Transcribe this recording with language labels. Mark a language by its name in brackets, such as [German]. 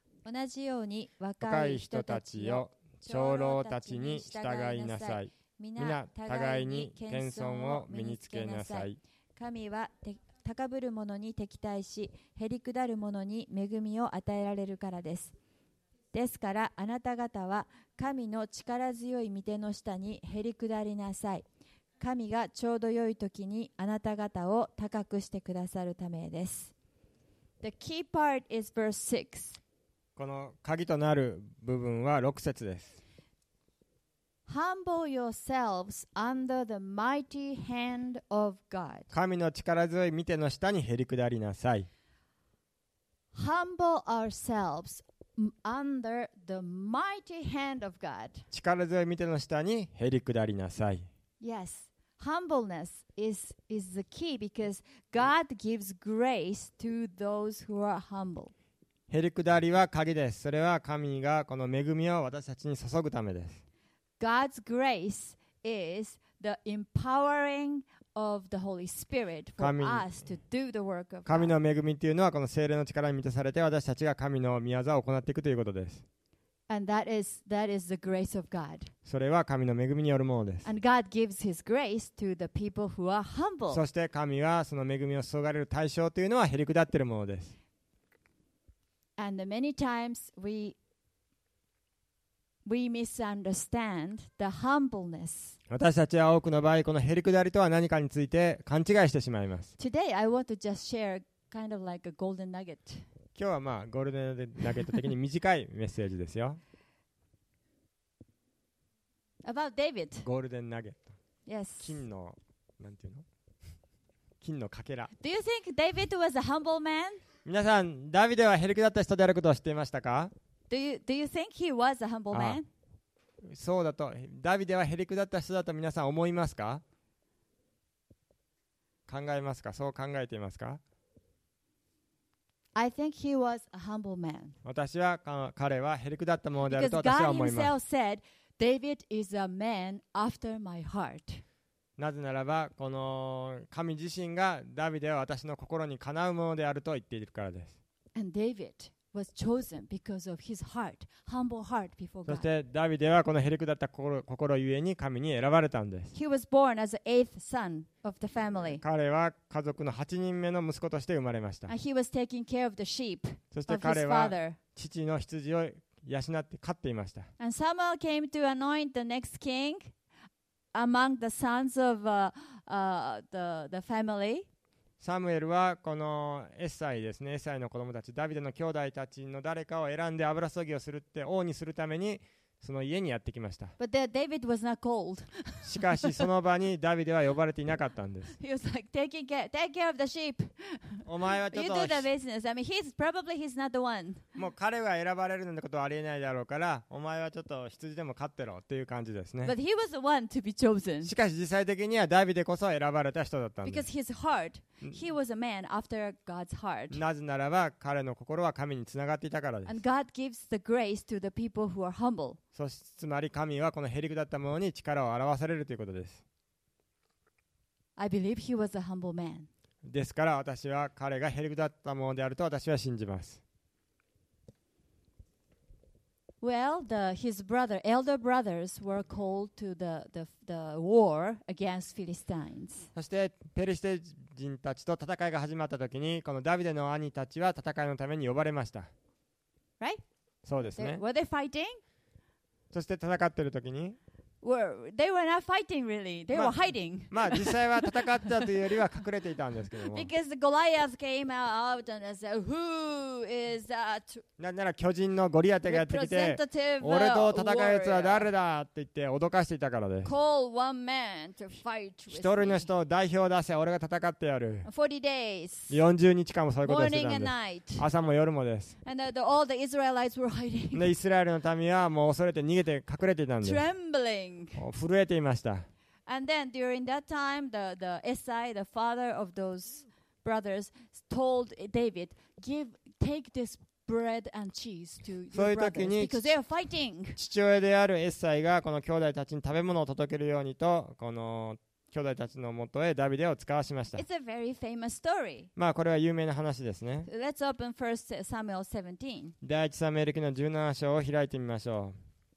[Japanese] 同じように若い人たちよ長老たちに従いなさい皆互いに謙遜を身につけなさい神は高ぶる者に敵対しへりくだる者に恵みを与えられるからですですからあなた方は神の力強い御手の下にへりくだりなさい神がちょうど良い時にあなた方を高くしてくださるためです [English] The key part is verse 6 [Japanese] この鍵となる部分は6節です。 [English] Humble yourselves under the mighty hand of God. [Japanese] 神の力強い御手の下にへりくだりなさい。 [English] Humble ourselves under the mighty hand of God. [Japanese] 力強い御手の下にへりくだりなさい。 [English] Yes. Humbleness is the key because God gives grace to those who are humble. [Japanese] へりくだりは鍵です。それは神がこの恵みを私たちに注ぐためです。 [English] God's grace is the empowering of the Holy Spirit for us to do the work of God. [Japanese] 神の恵みというのはこの聖霊の力に満たされて私たちが神の御業を行っていくということです。 [English] And that is the grace of God. [Japanese] それは神の恵みによるものです。 [English] And God gives His grace to the people who are humble. [Japanese] そして神はその恵みを注がれる対象というのはへりくだっているものです。 [English] And many times we misunderstand the humbleness. [Japanese] 私たちは多くの場合このへりくだりとは何かについて勘違いしてしまいます。 [English] Today I want to just share kind of like a golden nugget. [Japanese] 今日はまあゴールデンナゲット的に短いメッセージですよ。 [English] About David. [Japanese] ゴールデンナゲット。 [English] Yes. [Japanese] 金のなんていうの？金のかけら。 [English] Do you think David was a humble man? [Japanese] 皆さん、ダビデはへりくだった人であることを知っていましたか？ [English] Do you think he was a humble man? [Japanese] そうだと、ダビデはへりくだった人だと皆さん思いますか？考えますか？そう考えていますか？ [English] I think he was a humble man. [Japanese] 私は彼はへりくだったものであると私は思います。 [English] Because God himself said, David is a man after my heart. [Japanese] なぜならばこの神自身がダビデは私の心にかなうものであると言っているからです。 [English] And David was chosen because of his heart, humble heart before God. [Japanese] そしてダビデはこのへりくだった心ゆえに神に選ばれたんです。 [English] He was born as the eighth son of the family. [Japanese] 彼は家族の8人目の息子として生まれました。 [English] And he was taking care of the sheep of his father. [Japanese] そして彼は父の羊を養って飼っていました。 [English] And Samuel came to anoint the next king among the sons of the family. [Japanese] サムエルはこのエッサイですね、エッサイの子供たち、ダビデの兄弟たちの誰かを選んで油注ぎをするって王にするためにその家にやってきました。 [English] But there, David was not called. [Japanese] しかしその場にダビデは呼ばれていなかったんです。 [English] He was like, take care of the sheep. [Japanese] お前はちょっと [English] You do the business. I mean, he's probably not the one. [Japanese] もう彼が選ばれるなんてことはありえないだろうから、お前はちょっと羊でも飼ってろっていう感じですね。 [English] But he was the one to be chosen. [Japanese] しかし実際的にはダビデこそ選ばれた人だったんです。 [English] Because his heart, he was a man after God's heart. [Japanese] なぜならば彼の心は神につながっていたからです。 [English] And God gives the grace to the people who are humble. [Japanese] そしつまり神はこのへりくだったものに力を表されるということです。 [English] I believe he was a humble man. [Japanese] ですから私は彼がへりくだったものであると私は信じます。 [English] Well, his elder brothers were called to the war against Philistines. [Japanese] そしてペリシテ人たちと戦いが始まったときに、このダビデの兄たちは戦いのために呼ばれました。 [English] Right? [Japanese] そうですね。 [English] Were they fighting? [Japanese] そして戦ってる時に、 [English] they were not fighting really. They were hiding. [Japanese] まあ実際は戦ったというよりは隠れていたんですけども。 [English] Because Goliath came out and said, "Who is that?" [Japanese] なんなら巨人のゴリアテがやってきて、俺と戦うやつは誰だって言って脅かしていたからです。 [English] Call one man to fight with me. [Japanese] 一人の人を代表出せ、俺が戦ってやる。 [English] 40 days. [Japanese] 40日間もそういうことをしてたんです。 [English] Morning and night. [Japanese] 朝も夜もです。 [English] And all the Israelites were hiding. [Japanese] でイスラエルの民はもう恐れて逃げて隠れていたんです。 [English] Trembling. [Japanese] 震えていました。 [English] And then during that time, the Esai, the father of those brothers, told David, take this bread and cheese to your brothers because they are fighting. [Japanese] 父親であるエサイがこの兄弟たちに食べ物を届けるようにと、この兄弟たちのもとへダビデを使わしました。 [English] It's a very famous story. [Japanese] まあこれは有名な話ですね。 [English] Let's open 1 Samuel 17. [Japanese] 第一サムエル記の17章を開いてみましょう。